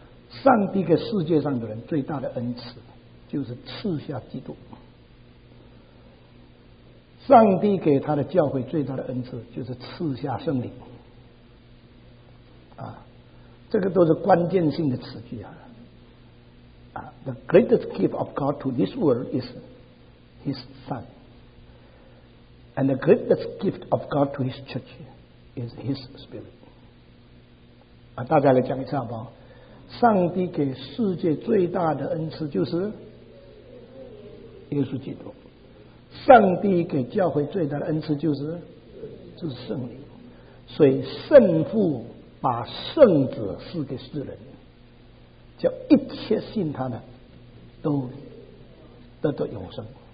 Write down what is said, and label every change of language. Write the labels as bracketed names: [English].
[Chinese] 上帝给世界上的人最大的恩赐，就是赐下基督。上帝给他的教会最大的恩赐，就是赐下圣灵。啊，这个都是关键性的词句啊。 [English] 啊 ，The greatest gift of God to this world is His Son, and the greatest gift of God to His church is His Spirit。 [Chinese] 啊，大家来讲一下吧。上帝给世界最大的恩赐就是耶稣基督。上帝给教会最大的恩赐就是圣灵，所以圣父把圣子赐给世人，叫一切信他的都得到永生。